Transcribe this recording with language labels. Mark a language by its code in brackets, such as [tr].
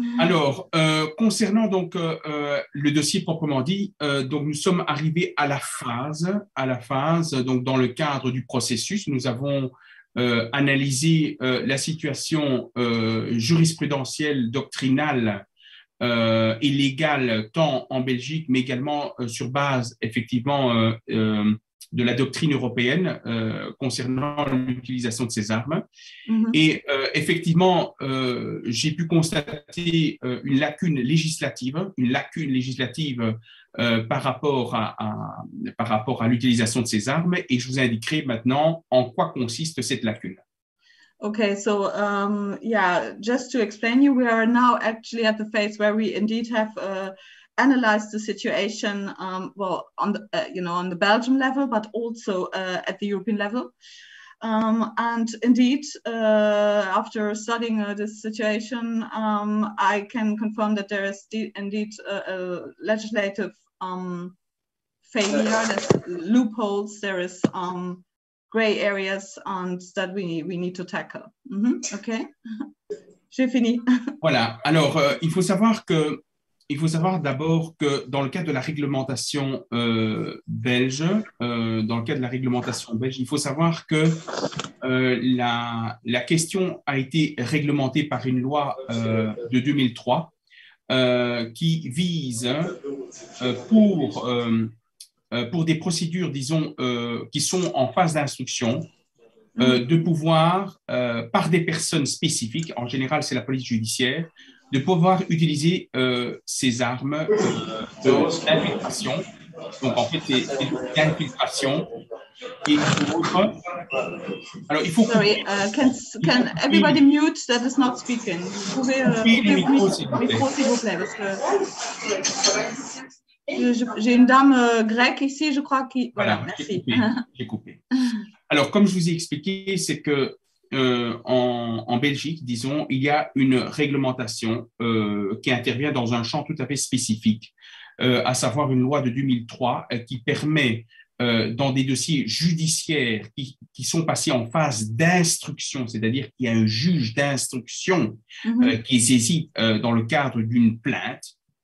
[fr] Alors, concernant donc le dossier proprement dit, donc nous sommes arrivés à la phase, donc dans le cadre du processus, nous avons analysé la situation jurisprudentielle, doctrinale et légale, tant en Belgique, mais également sur base, effectivement, de la doctrine européenne concernant l'utilisation de ces armes. Mm-hmm. Et effectivement, j'ai pu constater une lacune législative par rapport à l'utilisation de ces armes, et je vous indiquerai maintenant en quoi consiste cette lacune. [en] Okay, so yeah, just to explain you, we are now actually at the phase where we indeed have analyze the situation, well, on the, you know, on the Belgium level, but also at the European level. And indeed, after studying this situation, I can confirm that there is indeed a legislative failure, there's loopholes, there is gray areas and that we need to tackle. [fr] Mm-hmm. Okay, j'ai fini. Voilà, alors, il faut savoir que il faut savoir d'abord que dans le cadre de la réglementation belge, dans le cadre de la réglementation belge, il faut savoir que la question a été réglementée par une loi de 2003 qui vise pour des procédures, disons, qui sont en phase d'instruction, de pouvoir, par des personnes spécifiques, en général c'est la police judiciaire, de pouvoir utiliser ces armes d'infiltration, donc en fait c'est d'infiltration et autres. Alors il faut couper. [en] Sorry, can everybody mute that is not speaking? [fr] Vous pouvez s'il vous plaît, parce que j'ai une dame grecque ici, je crois qui voilà, merci. J'ai coupé. Alors comme je vous ai expliqué, c'est que en Belgique, disons, il y a une réglementation qui intervient dans un champ tout à fait spécifique, à savoir une loi de 2003 qui permet, dans des dossiers judiciaires qui sont passés en phase d'instruction, c'est-à-dire qu'il y a un juge d'instruction qui est saisi dans le cadre d'une plainte